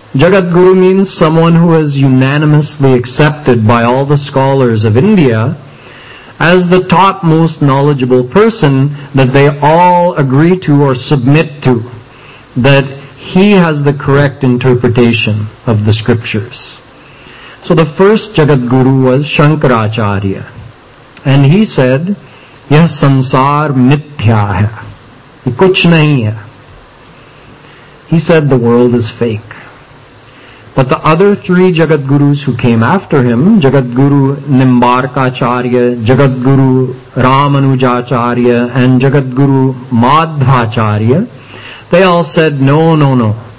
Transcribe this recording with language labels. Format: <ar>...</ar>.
<en>Jagatguru means someone who is unanimously accepted by all the scholars of India as the top most knowledgeable person that they all agree to or submit to, that he has the correct interpretation of the scriptures. So the first Jagatguru was Shankaracharya. And he said,</en> <hi>यह संसार मिथ्या है, ये कुछ नहीं है.</hi> <en>He said the world is fake. But the other three Jagadgurus who came after him, Jagadguru Nimbarkacharya, Jagadguru Ramanujacharya, and Jagadguru Madhvacharya, they all said, no, no, no.</en>